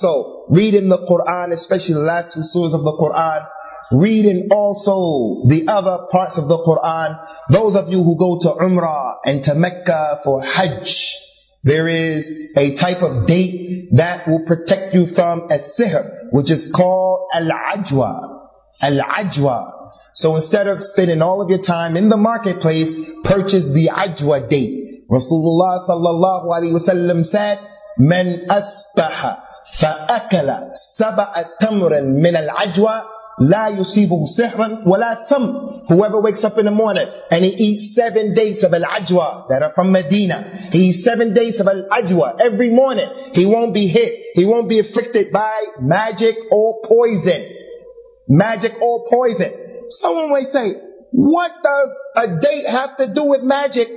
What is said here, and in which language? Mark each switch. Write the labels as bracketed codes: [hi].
[en] So reading the Quran, especially the last two surahs of the Quran, reading also the other parts of the Quran, those of you who go to Umrah and to Mecca for Hajj, there is a type of date that will protect you from a sihr, which is called Al-Ajwa. Al-Ajwa. So instead of spending all of your time in the marketplace, purchase the Ajwa date. Rasulullah sallallahu alayhi wa sallam said, [ar] مَنْ أَصْبَحَ فَأَكَلَ سَبَعَ تَمْرٍ مِنَ الْعَجْوَى لا يصيبه سحر ولا سم. [en] Whoever wakes up in the morning and he eats 7 dates of al-ajwa that are from Medina, he eats 7 dates of al-ajwa every morning, he won't be hit, he won't be afflicted by magic or poison. Magic or poison. Someone may say, what does a date have to do with magic?